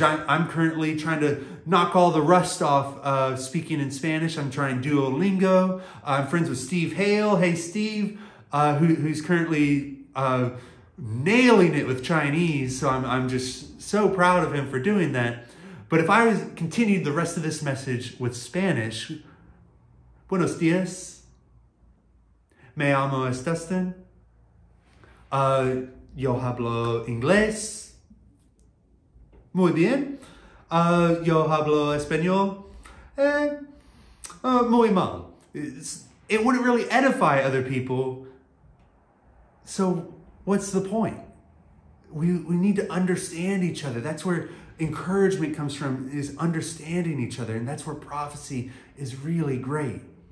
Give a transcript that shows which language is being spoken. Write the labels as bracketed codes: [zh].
[en] I'm currently trying to knock all the rust off of speaking in Spanish. I'm trying Duolingo. I'm friends with Steve Hale. Hey, Steve, who's currently nailing it with Chinese. So I'm just so proud of him for doing that. But if I continued the rest of this message with Spanish, [es] buenos dias, me llamo es Dustin, yo hablo inglés, muy bien, yo hablo español, muy mal. [en] It wouldn't really edify other people, so what's the point? We need to understand each other. That's where encouragement comes from, is understanding each other, and that's where prophecy is really great.